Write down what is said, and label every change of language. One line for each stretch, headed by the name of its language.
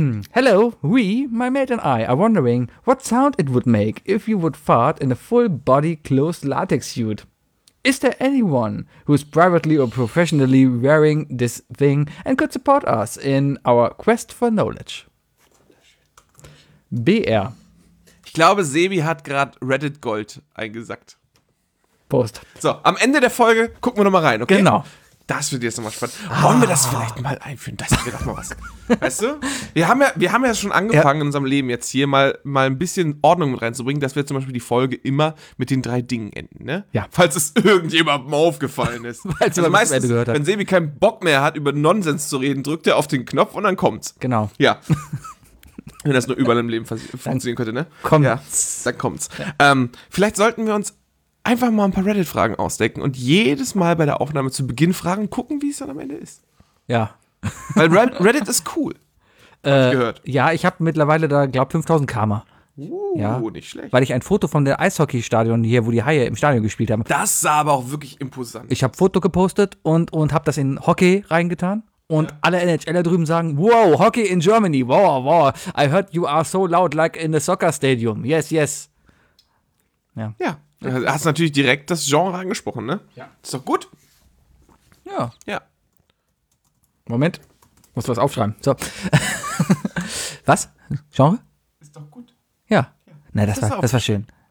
English: Hello, we, my mate and I, are wondering what sound it would make if you would fart in a full body closed latex suit. Is there anyone who's privately or professionally wearing this thing and could support us in our quest for knowledge? BR.
German: Ich glaube, Sebi hat gerade Reddit Gold eingesackt. Post. So, am Ende der Folge gucken wir nochmal rein, okay? Genau. Das wird jetzt nochmal spannend. Wollen wir das vielleicht mal einführen? Das wird doch mal was. Weißt du? Wir haben ja schon angefangen, in unserem Leben jetzt hier mal ein bisschen Ordnung mit reinzubringen, dass wir zum Beispiel die Folge immer mit den drei Dingen enden, ne? Ja. Falls es irgendjemandem aufgefallen ist. Falls also meistens, Ende gehört hat. Wenn Sebi keinen Bock mehr hat, über Nonsens zu reden, drückt er auf den Knopf und dann kommt's. Genau. Ja. Wenn das nur überall im Leben funktionieren könnte, ne? Kommt's. Ja, dann kommt's. Ja. Vielleicht sollten wir uns einfach mal ein paar Reddit-Fragen ausdecken und jedes Mal bei der Aufnahme zu Beginn fragen, gucken, wie es dann am Ende ist. Ja. Weil Reddit ist cool. Hab ich gehört. Ja, ich habe mittlerweile da, glaube ich, 5000 Karma. Ja, nicht schlecht. Weil ich ein Foto von dem Eishockeystadion hier, wo die Haie im Stadion gespielt haben. Das sah aber auch wirklich imposant. Ich habe Foto gepostet und habe das in Hockey reingetan. Und alle NHLer drüben sagen, wow,
English: Hockey in Germany,
German: wow, wow.
English: I heard you are so loud like in the soccer stadium. Yes, yes.
German: Ja. Ja, du hast natürlich direkt das Genre angesprochen, ne? Ja. Ist doch gut. Ja. Ja. Moment, muss was aufschreiben. So. Was? Genre? Ist doch gut. Ja. Ja. Nein, das war schön.